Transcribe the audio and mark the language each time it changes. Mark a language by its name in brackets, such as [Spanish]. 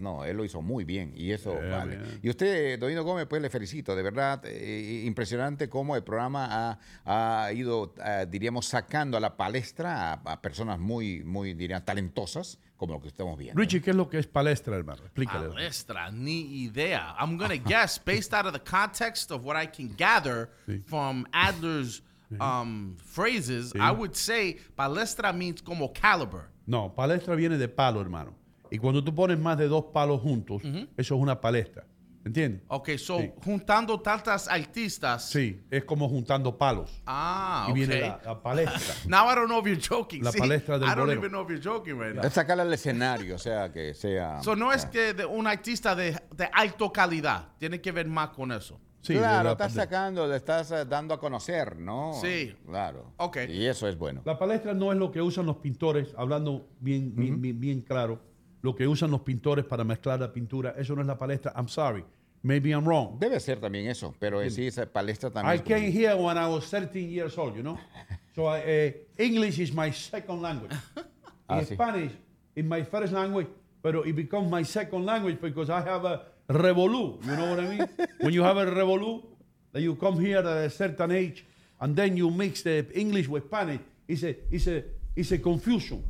[Spanish] No, él lo hizo muy bien y eso vale. Bien. Y usted, Oído Gómez, pues le felicito, de verdad, impresionante cómo el programa ha ido, diríamos, sacando a la palestra a personas muy, muy, diría, talentosas, como lo que estamos viendo. Richie, ¿qué es lo que es palestra, hermano? Explícale. Palestra, ni idea. [English] I'm going to guess, based out of the context of what I can gather from Adler's phrases, I would say palestra means [Spanish] como caliber. No, palestra viene de palo, hermano. Y cuando tú pones más de dos palos juntos, eso es una palestra. ¿Entiendes? [English] Ok, so [Spanish] juntando tantas artistas. Sí, es como juntando palos. Ah, y viene la palestra. [English] Now I don't know if you're joking. [Spanish] La palestra del bolero. [English] I don't even know if you're joking right now. [Spanish] Es sacarla al escenario, o sea, que sea. So no es que de un artista de alto calidad, tiene que ver más con eso. Sí, claro, estás sacando, le estás dando a conocer, ¿no? Sí. Claro. Ok. Y eso es bueno. La palestra no es lo que usan los pintores, hablando bien, bien claro. Lo que usan los pintores para mezclar la pintura, eso no es la palestra. [English] I'm sorry, maybe I'm wrong. [Spanish] Debe ser también eso, pero sí, esa palestra también. [English] I came here when I was 13 years old, you know? So I, English is my second language. Ah, Spanish is my first language, but it becomes my second language because I have a revolu, you know what I mean? When you have a revolu, that you come here at a certain age and then you mix the English with Spanish, it's a confusion.